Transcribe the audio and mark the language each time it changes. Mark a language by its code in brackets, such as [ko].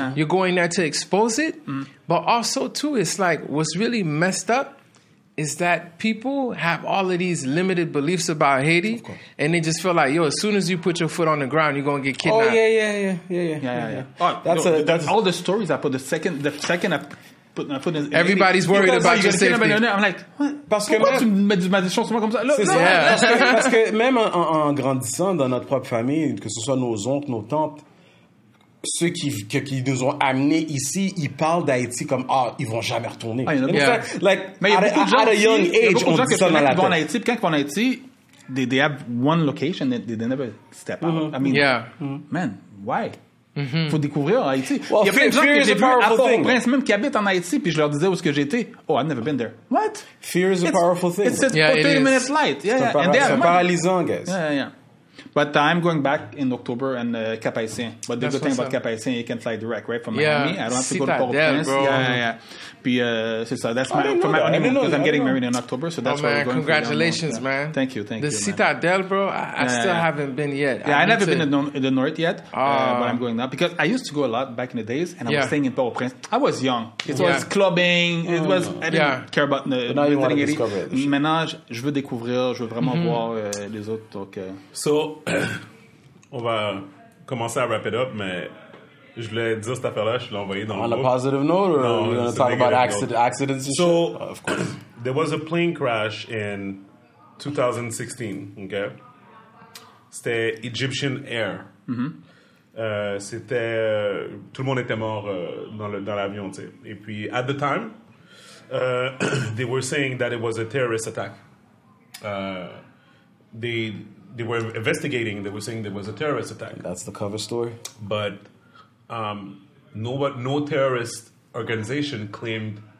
[en] You're going there to expose it, but also too, it's like what's really messed up is that people have all of these limited beliefs about Haiti, and they just feel like, yo, as soon as you put your foot on the ground, you're going to get kidnapped. Oh, yeah. All the stories I put, the second I put in everybody's Haiti, worried about your safety. I'm like, what? [fr] Parce pourquoi que même, tu mets des choses sur moi comme ça? C'est ça. Yeah. Parce que même en grandissant dans notre propre famille, que ce soit nos oncles, nos tantes, ceux qui nous ont amenés ici, ils parlent d'Haïti comme « Ah, oh, ils vont jamais retourner. » Mais il y a beaucoup de gens qui vont en Haïti, puis quand ils vont en Haïti, [en] they have one location, they never step out. [fr] Mm-hmm. I mean, [en] yeah. Man, why? [fr] Il mm-hmm. faut découvrir Haïti. Well, il y a plein de gens que j'ai vu à Port-au-Prince même qui habitent en Haïti, puis je leur disais où est-ce que j'étais. [en] « Oh, I've never been there. » What? Fear is a powerful thing. It's a 30-minute flight. [fr] C'est paralysant, guys. [en] Yeah. But I'm going back in October and Cap Haïtien. But the good thing about Cap Haïtien, you can fly direct, right? From Miami. Yeah. I don't have to go to Port-au-Prince. Yeah. [fr] Puis, c'est ça. [en] That's my honeymoon because I'm getting married in October. So that's why we're going. Congratulations, man. Yeah. Thank you. The Citadel, bro, I still haven't been yet. Yeah, I've never been in the north yet. But I'm going now because I used to go a lot back in the days and I was staying in Port-au-Prince. I was young. It was clubbing. It was. I didn't care about the. Now you want to discover it. [fr] Maintenant, je veux découvrir, je veux vraiment voir les autres. [en] Okay. So. [fr] On va commencer à [en] wrap it up, [fr] mais je voulais dire cette affaire-là, je l'ai envoyé dans on le groupe. [en] On a positive note, or non, we're going to talk about accidents and so, shit? Of course. There was a plane crash in 2016, okay? [fr] C'était Egyptian Air. Mm-hmm. C'était... Tout le monde était mort dans l'avion, tu sais. [en] Et puis, at the time, they were saying that it was a terrorist attack. They were investigating. They were saying there was a terrorist attack. That's the cover story. But no terrorist organization claimed.